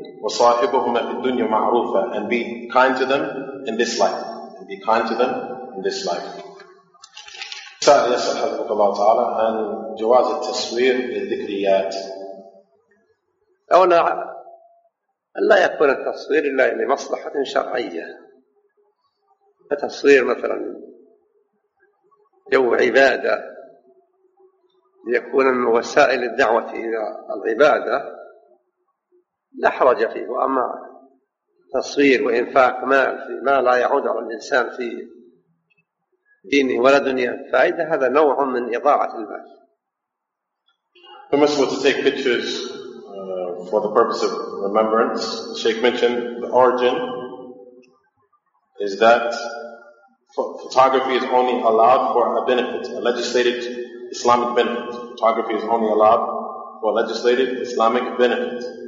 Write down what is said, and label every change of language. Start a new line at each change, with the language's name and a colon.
Arabic: وَصَاحِبُهُمَا فِي الدُّنْيَا مَعْرُوفًا
English: And be kind to them in this life. And be kind to them in this life.
Arabic: سأل يسأل حضرتك الله تعالى عن جواز التصوير للذكريات. أولا لا يكون التصوير إلا لمصلحة شرعية. فتصوير مثلا جو عبادة ليكون من وسائل الدعوة إلى العبادة لا حرج فيه، وأما تصوير وإنفاق مال في ما لا يعود على الإنسان في دينه ولا دنيا فائدة هذا نوع من إضاعة المال.
English: Permissible to take pictures for the purpose of remembrance. Sheikh mentioned the origin is that photography is only allowed for a benefit, a legislated Islamic benefit. Photography is only allowed for a legislated Islamic benefit.